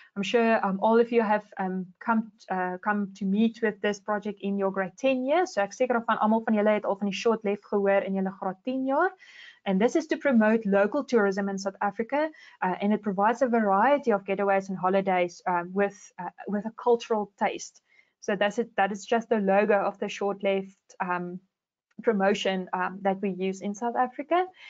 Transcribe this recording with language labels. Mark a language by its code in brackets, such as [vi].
[en] I'm sure all of you have come to meet with this project in your grade 10 year. [af] So ek seker of van almal van julle het al van die short left gehoor in julle graad 10 jaar. [en] And this is to promote local tourism in South Africa, and it provides a variety of getaways and holidays with a cultural taste. So that's it. That is just the logo of the short left promotion that we use in South Africa.